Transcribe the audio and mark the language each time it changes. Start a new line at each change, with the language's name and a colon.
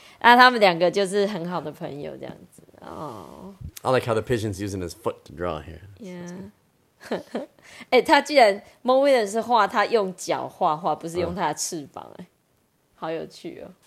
Chinese: 那他们两个就是很好的朋友这样子。
English: Oh. I like how the pigeon's using his foot to draw here. Yeah.
Chinese: 他居然 Moen 是画他用脚画画，不是用他的翅膀，哎，好有趣哦。